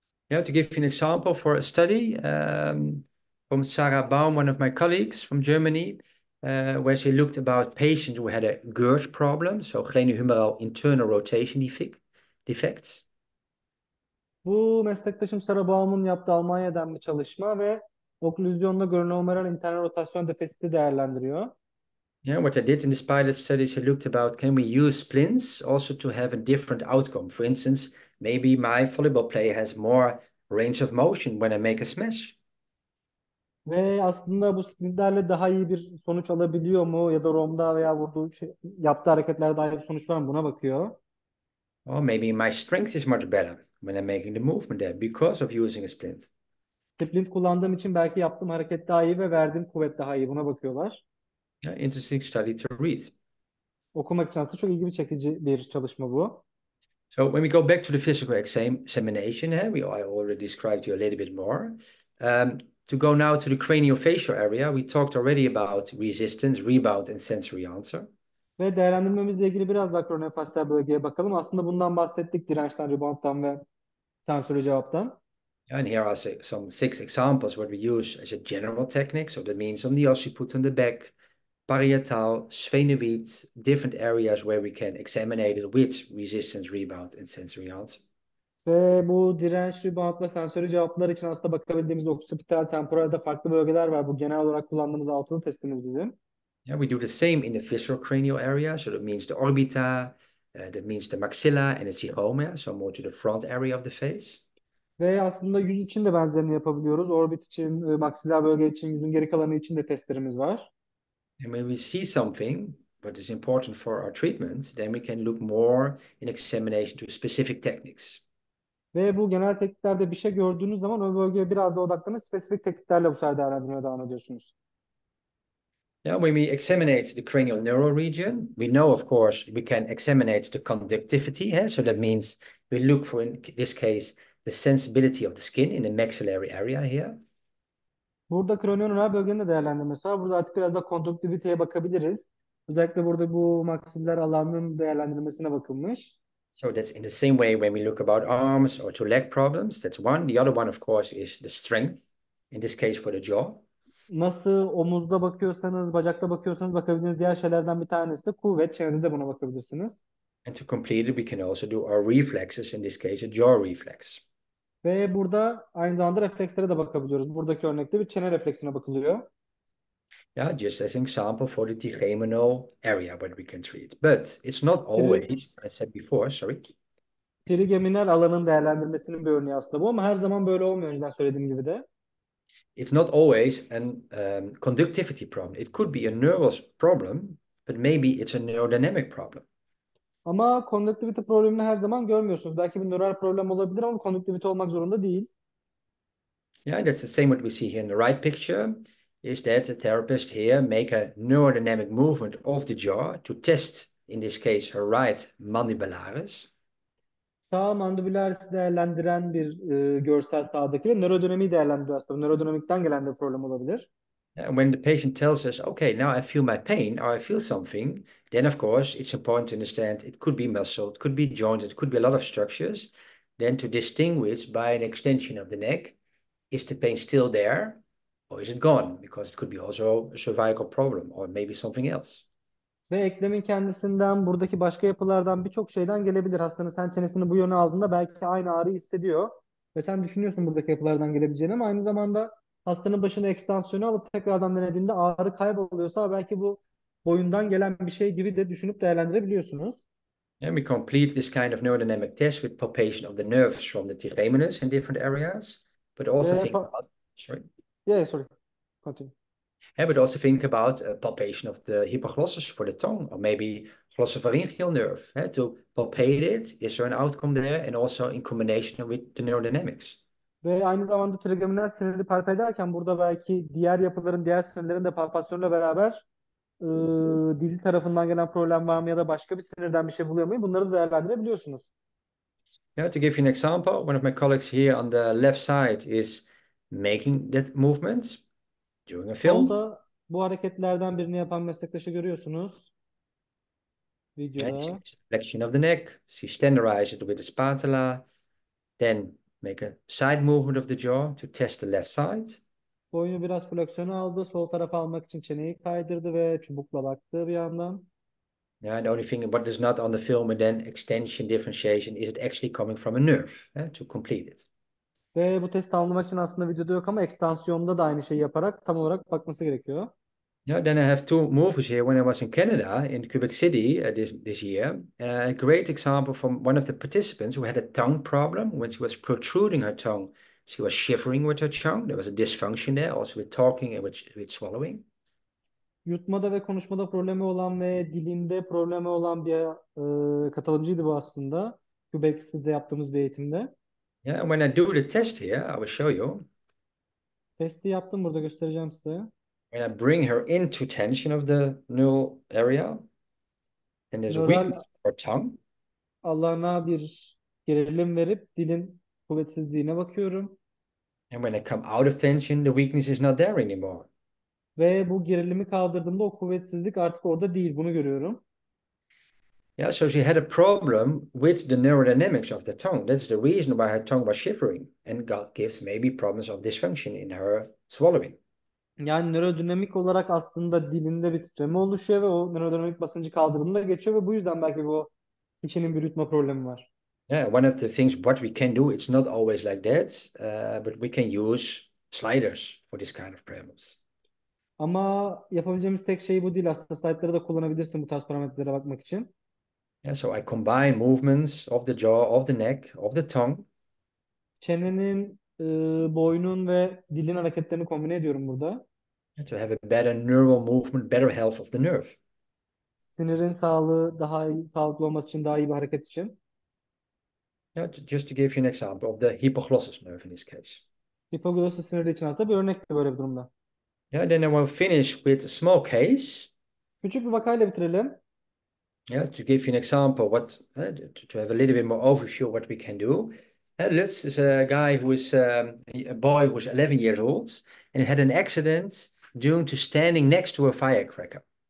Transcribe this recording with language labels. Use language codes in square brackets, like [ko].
[en] Yeah, to give you an example for a study from Sarah Baum, one of my colleagues from Germany, where she looked about patients who had a GERD problem, so glenohumeral internal rotation defects. [tr] Bu meslektaşım Sara Baum'un yaptığı Almanya'dan bir çalışma ve oklüzyonda glenohumeral internal rotasyon defisiti değerlendiriyor. [en] Yeah, what I did in this pilot study is I looked about can we use splints also to have a different outcome. For instance, maybe my volleyball player has more range of motion when I make a smash. [tr] Ve aslında bu splintlerle daha iyi bir sonuç alabiliyor mu ya da romda veya vurduğu şey, yaptığı hareketlerde daha iyi bir sonuç var mı buna bakıyor. [en] Or maybe my strength is much better when I'm making the movement there because of using a splint. [tr] Splint kullandığım için belki yaptığım hareket daha iyi ve verdiğim kuvvet daha iyi. Buna bakıyorlar. [en] Interesting study to read. [tr] Okumak için aslında çok ilgi çekici bir çalışma bu. [en] So when we go back to the physical examination, I already described to you a little bit more. To go now to the craniofacial area, we talked already about resistance, rebound, and sensory answer. [tr] Ve değerlendirmemizle ilgili biraz daha kronofasyal bölgeye bakalım. Aslında bundan bahsettik dirençten, rebound'dan ve sensörü cevaptan. [en] And here are some six examples what we use as a general technique. So that means on the occiput on the back. Parietal, sphenoid, different areas where we can examine it with resistance, rebound, and sensory answer. [tr] Ve bu direnç, rebound ve sensörü cevaplar için aslında bakabildiğimiz occipital temporalde farklı bölgeler var. Bu genel olarak kullandığımız altılı testimiz bizim. [en] Yeah, we do the same in the visceral cranial area. So that means the orbita, that means the maxilla and the zygomia. So more to the front area of the face. [tr] Ve aslında yüz için de benzerini yapabiliyoruz. Orbit için, maksiler bölge için, yüzün geri kalanı için de testlerimiz var. [en] And when we see something that is important for our treatment, then we can look more in examination to specific techniques. [tr] Ve bu genel tekniklerde bir şey gördüğünüz zaman o bölgeye biraz da odaklanıp spesifik tekniklerle bu sefer değerlendirmeye devam ediyorsunuz. [en] Now, when we examine the cranial neural region, we know, of course, we can examine the conductivity. Yeah? So that means we look for, in this case, the sensibility of the skin in the maxillary area here. [tr] Burada kranioneural bölgenin de değerlendirmesi var. Burada artık biraz da konduktiviteye bakabiliriz. Özellikle burada bu maksiller alanının değerlendirmesine bakılmış. [en] So that's in the same way when we look about arms or to leg problems. That's one. The other one, of course, is the strength. In this case, for the jaw. [tr] Nasıl omuzda bakıyorsanız, bacakta bakıyorsanız bakabildiğiniz diğer şeylerden bir tanesi de kuvvet. Çenede de buna bakabilirsiniz. [en] And to complete it, we can also do our reflexes, in this case a jaw reflex. [tr] Ve burada aynı zamanda reflekslere de bakabiliyoruz. Buradaki örnekte bir çene refleksine bakılıyor. [en] Yeah, just as an example for the trigeminal area where we can treat. But it's not always, as I said before, sorry. [tr] Trigeminal alanın değerlendirmesinin bir örneği aslında bu ama her zaman böyle olmuyor önceden söylediğim gibi de. [en] It's not always an conductivity problem. It could be a nervous problem, but maybe it's a neurodynamic problem. [tr] Ama konduktivite problemini her zaman görmüyorsunuz. Belki bir nöral problem olabilir ama konduktivite olmak zorunda değil. [en] Yeah, that's the same what we see here in the right picture. Is that the therapist here make a neurodynamic movement of the jaw to test, in this case, her right mandibularis? [tr] Sağ mandibularis değerlendiren bir görsel sağdaki ve nörodinamiği değerlendiriyor aslında. Nörodinamikten gelen bir problem olabilir. [en] And when the patient tells us, okay, now I feel my pain or I feel something, then of course it's important to understand it could be muscle, it could be joint, it could be a lot of structures. Then to distinguish by an extension of the neck, is the pain still there? Or is it gone? Because it could be also a cervical problem or maybe something else. [tr] Ve eklemin kendisinden, buradaki başka yapılardan birçok şeyden gelebilir. Hastanın sen çenesini bu yöne aldığında belki aynı ağrıyı hissediyor. Ve sen düşünüyorsun buradaki yapılardan gelebileceğini ama aynı zamanda hastanın başına ekstansiyonu alıp tekrardan denediğinde ağrı kayboluyorsa belki bu boyundan gelen bir şey gibi de düşünüp değerlendirebiliyorsunuz. [en] And we complete this kind of neurodynamic test with palpation of the nerves from the trigeminus in different areas. But also think about, sorry. Sorry. Continue. Yeah, but also think about a palpation of the hypoglossus for the tongue, or maybe glossopharyngeal nerve. Yeah, to palpate it, is there an outcome there? And also in combination with the neurodynamics. [tr] Ve aynı zamanda trigeminal sinirleri palp ederken burada belki diğer yapıların, diğer sinirlerin de palpasyonla beraber dil tarafından gelen problem var mı ya da başka bir sinirden bir şey buluyor muyum? Bunları da değerlendirebiliyorsunuz. [en] Yeah, to give you an example, one of my colleagues here on the left side is making that movement during a film. [tr] Solda bu hareketlerden birini yapan meslektaşı görüyorsunuz. Videoda. [en] Flexion of the neck. She tenderizes it with the spatula. Then make a side movement of the jaw to test the left side. [tr] Boynu biraz flexyonu aldı. Sol tarafa almak için çeneyi kaydırdı ve çubukla baktı bir yandan. [en] Yeah, the only thing what is not on the film and then extension differentiation is it actually coming from a nerve, to complete it. [tr] Ve bu testi anlamak için aslında videoda yok ama ekstansiyonda da aynı şeyi yaparak tam olarak bakması gerekiyor. [en] Yeah, then I have two movies here when I was in Canada in Quebec City this year. A great example from one of the participants who had a tongue problem. When she was protruding her tongue, she was shivering with her tongue. There was a dysfunction there, also with talking and with swallowing. [tr] Yutmada ve konuşmada problemi olan ve dilinde problemi olan bir katılımcıydı bu aslında. Quebec'te yaptığımız bir eğitimde. [en] Yeah, and when I do the test here, I will show you. [tr] Testi yaptım burada göstereceğim size. [en] When I bring her into tension of the neural area, and there's a weakness [tr] Nöral [en] of her tongue. [tr] alana bir gerilim verip dilin kuvvetsizliğine bakıyorum. [en] And when I come out of tension, the weakness is not there anymore. [tr] Ve bu gerilimi kaldırdığımda o kuvvetsizlik artık orada değil. Bunu görüyorum. [en] Yeah, so she had a problem with the neurodynamics of the tongue. That's the reason why her tongue was shivering and gives maybe problems of dysfunction in her swallowing. [tr] Yani nörodinamik olarak aslında dilinde bir titreme oluşuyor ve o nörodinamik basıncı kaldırımda geçiyor ve bu yüzden belki bu içinin bir ritma problemi var. [en] Yeah, one of the things what we can do, it's not always like that, but we can use sliders for this kind of problems. [tr] Ama yapabileceğimiz tek şey bu değil. Aslında slaytları da kullanabilirsin bu tarz parametrelere bakmak için. [en] So I combine movements of the jaw, of the neck, of the tongue. [tr] Çenenin, boynun ve dilin hareketlerini kombine ediyorum burada. [en] To have a better neural movement, better health of the nerve. [tr] Sinirin sağlığı daha iyi, sağlıklı olması için, daha iyi bir hareket için. [en] Just to give you an example of the hypoglossus nerve in this case. [tr] Hipoglossus sinirli için hasta bir örnek böyle bir durumda. [en] Then I will finish with a small case. [tr] Küçük bir vakayla bitirelim. [en] To give you an example, to have a little bit more overview of what we can do. This is a guy who is a boy who is 11 years old and had an accident due to standing next to a firecracker.